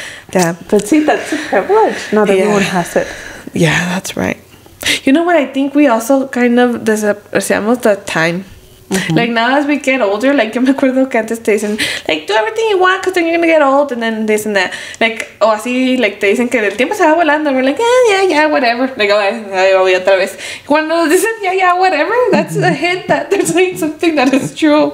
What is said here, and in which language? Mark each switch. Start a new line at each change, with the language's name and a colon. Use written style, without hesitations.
English: Damn. But see, that's a privilege. Not that everyone has it. Yeah, that's right. You know what? I think we also kind of
Spanish: desapreciamos
English: the time. Mm-hmm. Like, now as we get older, like,
Spanish: yo me acuerdo que antes te dicen,
English: like, do everything you want because then you're going to get old and then this and that.
Spanish: Like, o oh, así, like, te dicen que el tiempo se va volando.
English: We're like, yeah, whatever. Like, oh,
Spanish: ahí voy otra vez. Cuando nos dicen,
English: yeah, whatever, that's a hint that there's, like, something that is true.